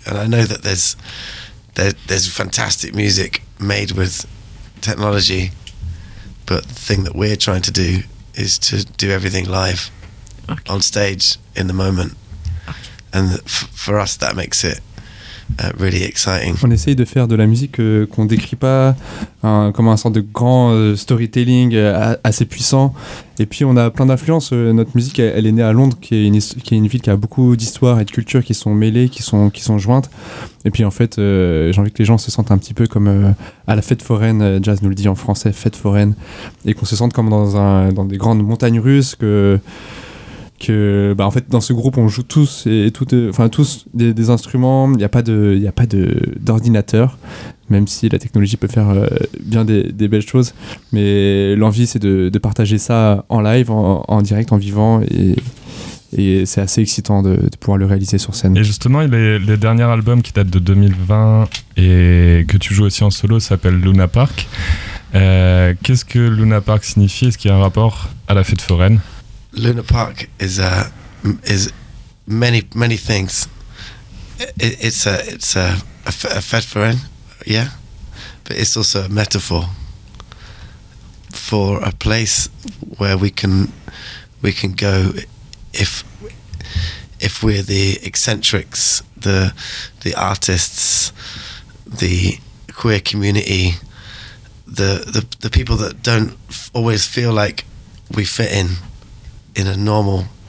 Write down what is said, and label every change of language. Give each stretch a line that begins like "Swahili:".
English: And I know that there's fantastic music made with technology. But the thing that we're trying to do is to do everything live on stage in the moment. And for us, that makes it really exciting.
French: On essaye de faire de la musique qu'on décrit pas comme un sort de grand storytelling assez puissant. Et puis on a plein d'influences. Notre musique, elle est née à Londres, qui est une ville qui a beaucoup d'histoires et de cultures qui sont mêlées, qui sont jointes. Et puis en fait, j'ai envie que les gens se sentent un petit peu comme à la fête foraine. Jazz nous le dit en français, fête foraine, et qu'on se sente comme dans des grandes montagnes russes. En fait, dans ce groupe, on joue tous des instruments. Il y a pas d'ordinateur, même si la technologie peut faire bien des belles choses. Mais l'envie, c'est de partager ça en live, en direct, en vivant, et c'est assez excitant de pouvoir le réaliser sur scène. Et justement, les derniers albums qui datent de 2020 et que tu joues aussi en solo s'appellent Luna Park. Qu'est-ce que Luna Park signifie ? Est-ce qu'il y a un rapport à la fête foraine ?
English: Luna Park is many many things. It's a fête foraine, yeah, but it's also a metaphor for a place where we can go if we're the eccentrics, the artists, the queer community, the people that don't always feel like we fit in a normal